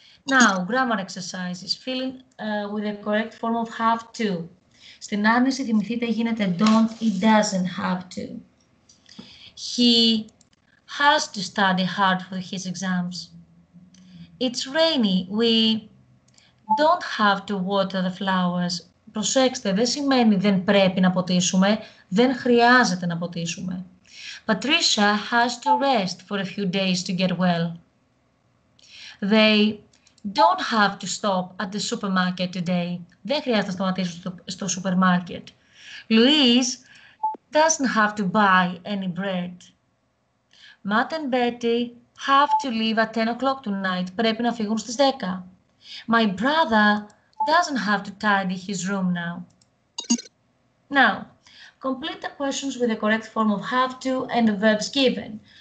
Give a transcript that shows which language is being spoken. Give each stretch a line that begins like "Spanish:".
English: Now, grammar exercises. Filling with the correct form of have to.
Greek: Στην άρνηση, θυμηθείτε, γίνεται don't,
English: he doesn't have to. He has to study hard for his exams. It's rainy. We don't have to water the flowers.
Greek: Προσέξτε, δεν σημαίνει δεν πρέπει να ποτίσουμε. Δεν χρειάζεται να ποτίσουμε.
English: Patricia has to rest for a few days to get well. They don't have to stop at the supermarket today.
Greek: Δεν χρειάζεται να σταματήσουν στο supermarket.
English: Louise doesn't have to buy any bread. Matt and Betty have to leave at 10 o'clock tonight.
Greek: Πρέπει να φύγουν στις 10.
English: My brother doesn't have to tidy his room now. Now, complete the questions with the correct form of have to and the verbs given.